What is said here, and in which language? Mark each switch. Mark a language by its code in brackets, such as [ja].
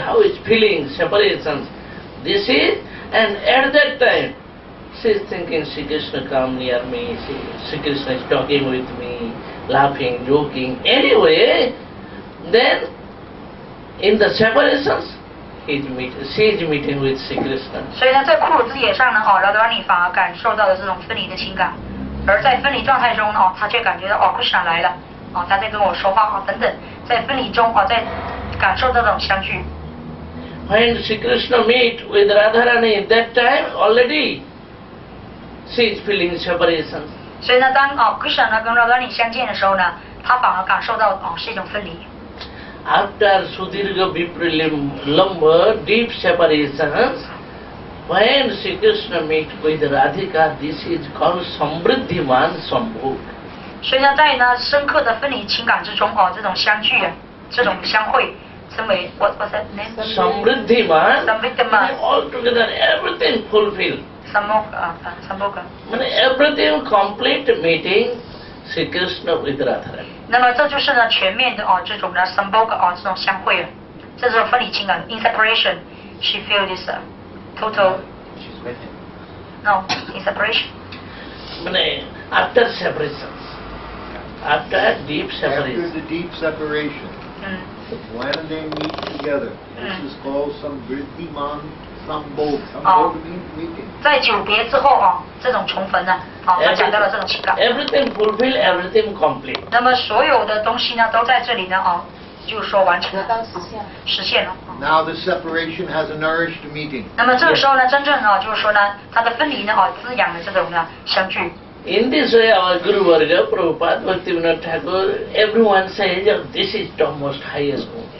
[en] How is feeling separation? This is and at that time, she's thinking Sri Krishna come near me. Sri Krishna is talking with me, laughing, joking. Anyway. Then, in the separations, she is meeting with Sri Krishna. [zh] 所以呢，在库鲁之野上呢，哦，劳德拉尼反而感受到了这种分离的情感，而在分离状态中呢，哦，他却感觉到哦，库什来了，哦，他在跟我说话啊，等等，在分离中啊，在感受这种相聚。 [en] When Sri Krishna meet with Radharani, that time already she is feeling separation. [zh] 所以呢，当哦，库什呢跟劳德拉尼相见的时候呢，他反而感受到哦，是一种分离。 [en] After Sudirga Viprilim Lumber, deep separations, when Sri Krishna meet with Radhika, this is called Samriddhiman Sambhog. [zh] 所以在呢深刻的分离情感之中哦，这种相聚，这种相会，称为 what's that name? [en] Samriddhiman. Samriddhiman. All together, everything fulfilled. Sambhog. Meaning everything complete meeting Sri Krishna with Radharani. [zh] 那么这就是呢全面的哦这种呢 sambhoga 哦这种相会，这是分离情感 in separation. [en] She feel this total. She's with him. No, in separation. After separation. After deep separation. After the deep separation. When they meet together, this is called samvriddhiman sambhoga. Sambhoga means meeting. [zh] 在久别之后啊。这种重逢呢，他讲到了这种情感。 [en] Everything fulfilled, everything complete. [zh] 那么所有的东西呢，都在这里呢，啊，就说完成了，实现了。 [en] Now the separation has a nourished meeting. [zh] 那么这个时候呢，真正呢，就是说呢，它的分离呢，啊，滋养了这种呢相聚。 [en] In this way, our Guru Varga, Prabhupada, Bhaktivinoda Thakur, everyone says, this is the most highest mood.